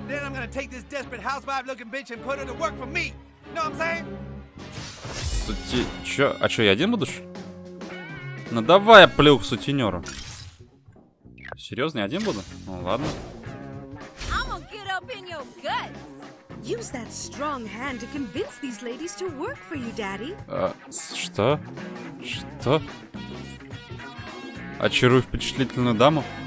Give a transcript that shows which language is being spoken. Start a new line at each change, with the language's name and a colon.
English: Then I'm gonna take this desperate housewife-looking bitch and put her to work for me. Know what I'm saying?
Russian: Сути... Чё? А чё, я один буду? Ну давай я плюх сутенёру. Серьёзно, я один буду? Ну ладно.
English: I'm gonna get up in your guts. Use that strong hand to convince these ladies to work for you, daddy.
Russian: Что? Что? Очарую впечатлительную даму?